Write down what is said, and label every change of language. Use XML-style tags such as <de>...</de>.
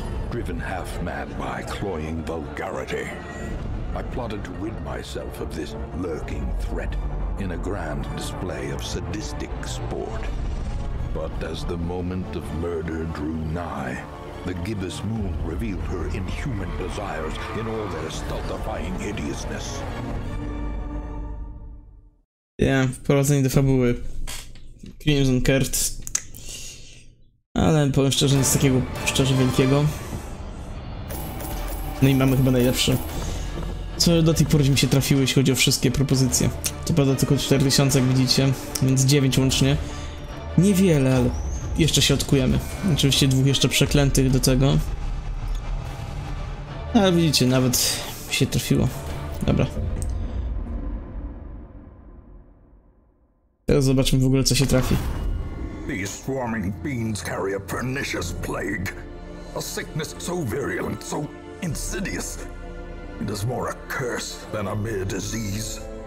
<en>Driven half mad by cloying vulgarity, I plotted to rid myself of this lurking threat in a grand display of sadistic sport. But as the moment of murder drew nigh, the gibbous moon revealed her inhuman desires in all their stultifying hideousness.</en> <pl>Yeah, wprowadzenie do fabuły. Crimson Curt. Ale powiem szczerze, nic takiego szczerze wielkiego. No i mamy chyba najlepsze. Co do tej pory mi się trafiło, jeśli chodzi o wszystkie propozycje. To prawda, tylko 4000, jak widzicie, więc 9 łącznie. Niewiele, ale jeszcze się odkujemy. Oczywiście dwóch jeszcze przeklętych do tego. Ale widzicie, nawet mi się trafiło. Dobra. Teraz zobaczmy w ogóle, co się trafi.</pl> <en>These swarming beings carry a pernicious plague. A sickness so virulent, so insidious. It is more a curse than a mere disease.</en>